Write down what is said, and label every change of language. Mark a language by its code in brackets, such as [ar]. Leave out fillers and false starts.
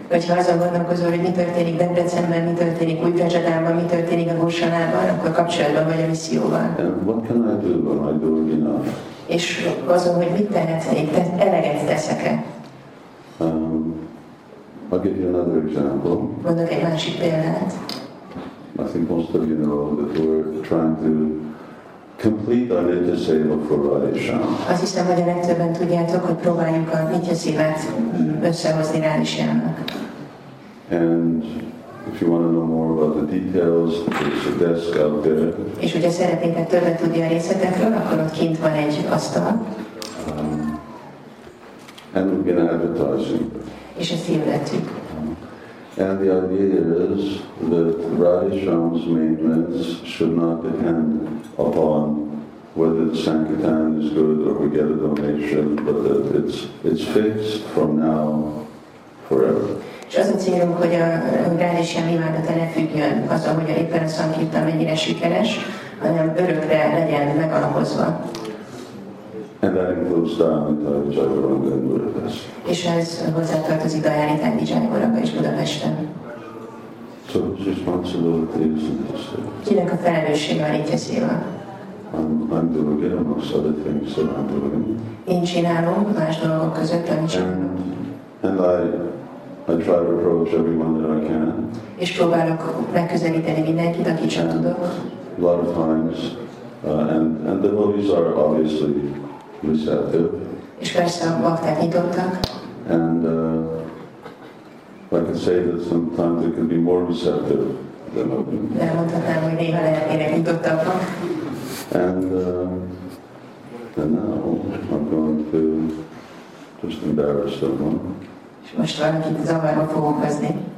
[hu] Hogyha azon gondolkozol, hogy mi történik Debrecenben, mi történik Újpecsadában, mi történik a Gosha-nában, akkor kapcsolatban vagy a misszióval. [en] And what can I do when I do enough? [hu] És azon, hogy mit tehetnék, eleget teszek-e? [en] I'll give you another example. [hu] Mondok egy másik példát. [en] I think most of you know that we're trying to complete our Nitya Seva for Radhe Shyam. [hu] Azt hiszem, hogy a legtöbben tudjátok, hogy próbáljuk a Nitya Sevát összehozni Radhe Shyamnak. [en] And if you want to know more about the details, there's a desk out there. [hu] És hogyha szeretnétek többet tudni a részletekről, akkor ott kint van egy asztal. [en] And we've been advertising. [hu] És ezt hirdetjük. [en] And the idea is that Radhe Shyam's maintenance should not depend upon whether the Sankirtan is good or we get a donation, but that it's fixed from now forever. [hu] És az a célunk, hogy a Radhe Shyam imádata ne függjön az, ahogy éppen a Sankirtan mennyire sikeres, hanem örökre legyen megalapozva. [en] And that includes Dharmita, Vijayaranga, and Budapest. [hu] És ez hozzátartozik Dharmita, Vijayaranga és Budapesten. [en] So whose responsibility is in this? [hu] Kinek a felelőssége van itt a Seva? [en] I'm doing it amongst other things that I'm doing. [hu] Én csinálom más dolgok között, amit csinálom. [en] And I try to approach everyone that I can. [hu] És próbálok megközelíteni mindenkit, akit csak tudok. [en] a lot of times, and the devotees are obviously receptive. [hu] És persze a bakták nyitottak. [en] And I can say that sometimes they can be more receptive than open. [hu] De mondhatnám, hogy néha lehetnének nyitottabbak. [en] And now I'm going to just embarrass someone. [hu] És most valakit zavarba fogok hozni.